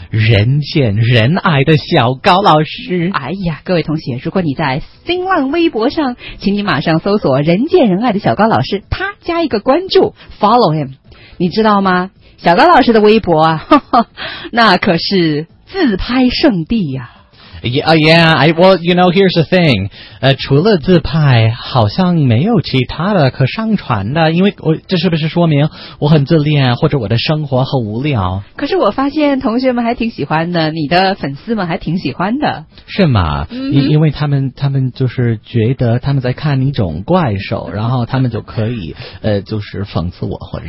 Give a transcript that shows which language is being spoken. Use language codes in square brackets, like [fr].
[zh] 人见人爱的小高老师。哎呀，各位同学，如果你在新浪微博上，请你马上搜索人见人爱的小高老师，他加一个关注 [en] follow him。 [zh] 你知道吗，小高老师的微博啊，那可是自拍圣地呀、 [en] 啊、Yeah, well, you know, here's the thing. [zh] 除了自拍，好像没有其他的可上传的，因为我这是不是说明我很自恋，或者我的生活很无聊？可是我发现同学们还挺喜欢的，你的粉丝们还挺喜欢的。是吗？因为他们就是觉得他们在看一种怪兽，然后他们就可以就是讽刺我或者。